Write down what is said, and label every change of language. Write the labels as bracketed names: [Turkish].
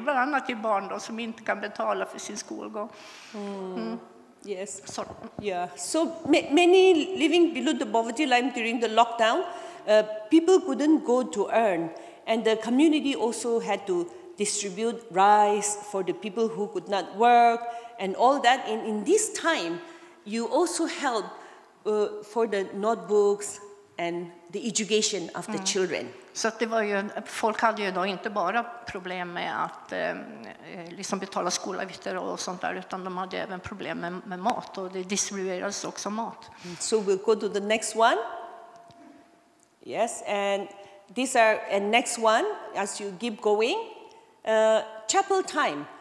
[Swedish] Bland annat till barn då, som inte kan betala för sin skolgång. [English] Yes. So many living below the poverty line during the lockdown. People couldn't go to earn, and the community also had to distribute rice for the people who could not work and all that. And in this time, you also help for the notebooks, and the education of the children. [Swedish] Så att det var ju, folk hade ju då inte bara problem med att liksom betala skolavgifter och sånt där, utan de hade även problem med mat, och det distribuerades också mat. [English] So we'll go to the next one. Yes, and these are a next one as you keep going. Chapel time.